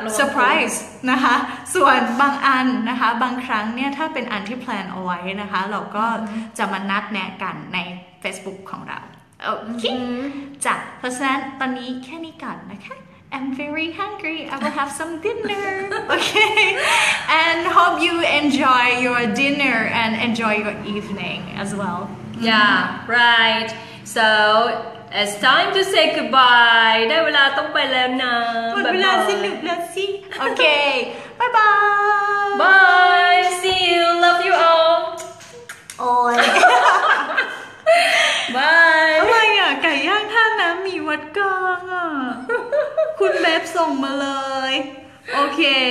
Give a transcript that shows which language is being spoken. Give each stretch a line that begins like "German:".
Thai: เซอร์ไพรส์นะคะส่วนบางอันนะคะบางครั้งเนี่ยถ้าเป็นอันที่แพลนเอาไว้นะคะเราก็จะมานัดแนะกันใน Facebook ของเราโอเคจ้ะเพราะฉะนั้นตอนนี้แค่นี้ก่อนนะคะ
English: I'm very hungry I will have some dinner okay and hope you enjoy your dinner and enjoy your evening as well Yeah, right. So it's time to say goodbye.
Thai: ได้เวลาต้องไปแล้วนะ หมดเวลาสิหนึ่งนาทีโอเคบายบาย
English: บาย see you love you all
Thai: โอ้ย บาย อะไรอ่ะไก่ย่างท่าน้ำมีวัดกลางอ่ะคุณแบบส่งมาเลยโอเค